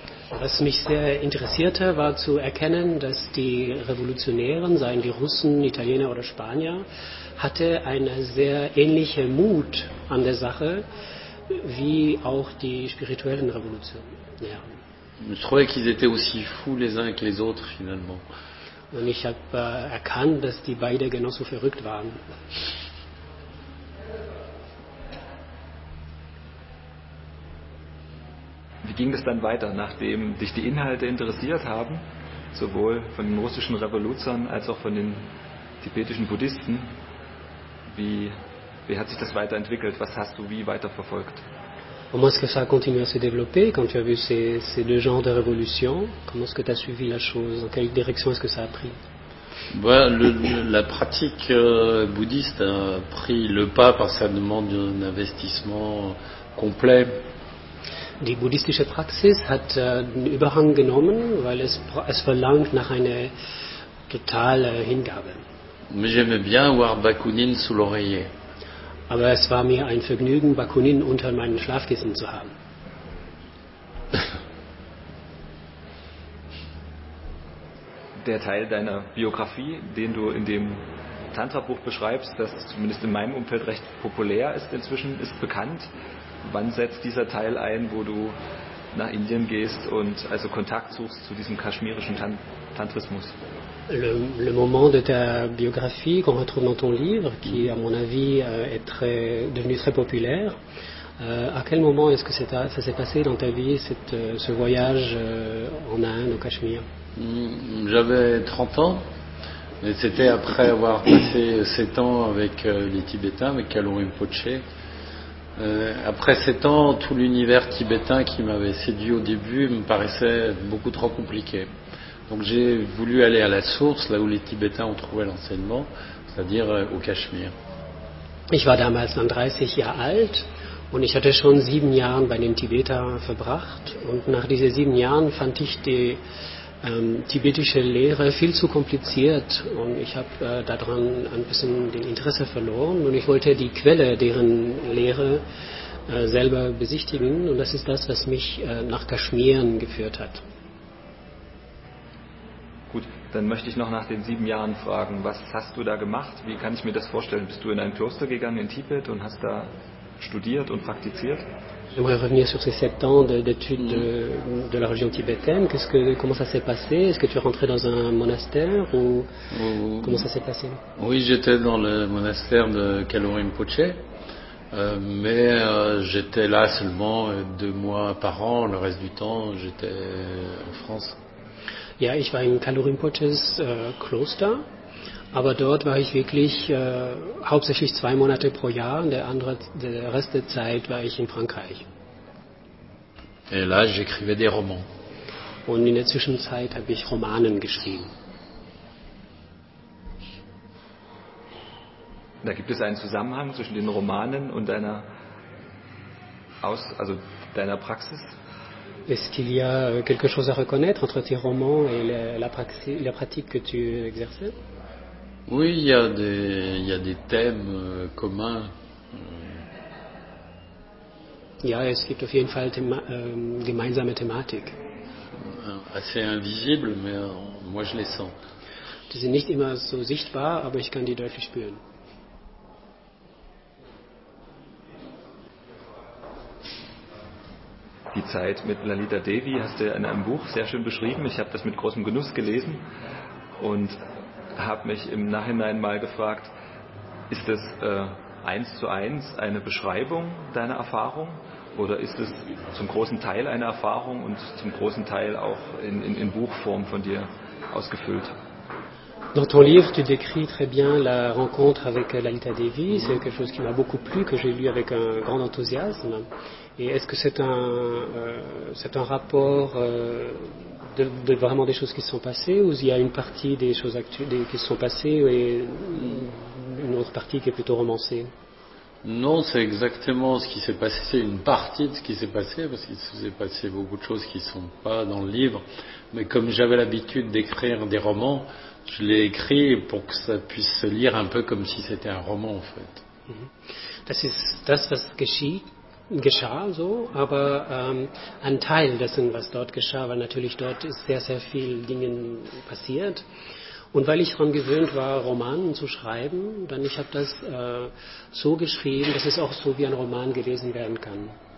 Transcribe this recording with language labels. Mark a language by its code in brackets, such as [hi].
[de] Was mich sehr interessierte, war zu erkennen, dass die Revolutionären, seien die Russen, Italiener oder Spanier, hatte eine sehr ähnliche Mut an der Sache, wie auch die spirituellen Revolutionären. Ich [fr] trouvais qu'ils étaient aussi fous les uns que les autres, finalement. [de] Und ich habe erkannt, dass die beide genauso verrückt waren. Wie ging es dann weiter, nachdem dich die Inhalte interessiert haben, sowohl von den russischen Revolutionären als auch von den tibetischen Buddhisten? Wie hat sich das weiterentwickelt? Was hast du wie weiterverfolgt? [fr] Comment est-ce que ça a continué à se développer quand tu as vu ces deux genres de révolution? Comment est-ce que tu as suivi la chose? Dans quelle direction est-ce que ça a pris? Bah, la pratique bouddhiste a pris le pas parce que ça demande un investissement complet. [de] Die buddhistische Praxis hat den Überhang genommen, weil es verlangt nach einer totalen Hingabe. [fr] J'aimais bien voir Bakounine sous l'oreiller. [de] Aber es war mir ein Vergnügen, Bakounine unter meinen Schlafkissen zu haben. Der Teil deiner Biografie, den du in dem Tantra-Buch beschreibst, das zumindest in meinem Umfeld recht populär ist inzwischen, ist bekannt. Wann setzt dieser Teil ein, wo du nach Indien gehst und also Kontakt suchst zu diesem kaschmirischen Tantrismus? [fr] Le moment de ta biographie qu'on retrouve dans ton livre, qui à mon avis est devenu très populaire, à quel moment est-ce que ça s'est passé dans ta vie, ce voyage en Inde, au Cachemire? J'avais 30 ans, et c'était après avoir passé 7 ans avec les Tibétains, avec Kalon Rinpoche. Après 7 ans, tout l'univers tibétain qui m'avait séduit au début me paraissait beaucoup trop compliqué. Donc j'ai voulu aller à la source, là où les Tibétains ont trouvé l'enseignement, c'est-à-dire au Cachemire. [de] Ich war damals dann 30 Jahre alt und ich hatte schon 7 Jahre bei den Tibetern verbracht. Und nach diesen 7 Jahren fand ich die tibetische Lehre viel zu kompliziert und ich habe daran ein bisschen den Interesse verloren und ich wollte die Quelle deren Lehre selber besichtigen und das ist das, was mich nach Kaschmiren geführt hat. Gut, dann möchte ich noch nach den 7 Jahren fragen, was hast du da gemacht, wie kann ich mir das vorstellen? Bist du in ein Kloster gegangen in Tibet und hast da studiert und praktiziert? [fr] J'aimerais revenir sur ces 7 ans d'études de la région tibétaine. Comment ça s'est passé? Est-ce que tu es rentré dans un monastère ou comment ça s'est passé? Oui, j'étais dans le monastère de Kalon Rinpoche, mais j'étais là seulement 2 mois par an. Le reste du temps, j'étais en France. [de] Ja, ich war in Kalon Rinpoches Kloster. Aber dort war ich wirklich hauptsächlich 2 Monate pro Jahr und der Rest der Zeit war ich in Frankreich. [fr] Et là, j'écrivais des romans. [de] Und in der Zwischenzeit habe ich Romanen geschrieben. Da gibt es einen Zusammenhang zwischen den Romanen und deiner also deiner Praxis? [fr] Est-ce qu'il y a quelque chose à reconnaître entre tes romans et la pratique que tu exerçais? Oui, il y a des thèmes communs. [de] Ja, es gibt auf jeden Fall gemeinsame Thematik. [fr] Assez invisible, mais moi je les sens. [de] Die sind nicht immer so sichtbar, aber ich kann die deutlich spüren. Die Zeit mit Lalita Devi hast du in einem Buch sehr schön beschrieben. Ich habe das mit großem Genuss gelesen und habe mich im Nachhinein mal gefragt, ist das eins zu eins eine Beschreibung deiner Erfahrung oder ist es zum großen Teil eine Erfahrung und zum großen Teil auch in Buchform von dir ausgefüllt? [fr] Dans ton livre, tu décris très bien la rencontre avec Lalita Devi. C'est quelque chose qui m'a beaucoup plu, que j'ai lu avec un grand enthousiasme. Et est-ce que c'est un rapport de vraiment des choses qui se sont passées ou il y a une partie des choses actuelles qui se sont passées et une autre partie qui est plutôt romancée? Non, c'est exactement ce qui s'est passé. C'est une partie de ce qui s'est passé parce qu'il s'est passé beaucoup de choses qui ne sont pas dans le livre. Mais comme j'avais l'habitude d'écrire des romans, je l'ai écrit pour que ça puisse se lire un peu comme si c'était un roman en fait. [de] Das ist das, was geschah so, aber ein Teil dessen, was dort geschah, weil natürlich dort ist sehr, sehr viel Dingen passiert. Und weil ich daran gewöhnt war, Romanen zu schreiben, dann ich habe das so geschrieben, dass es auch so wie ein Roman gelesen werden kann.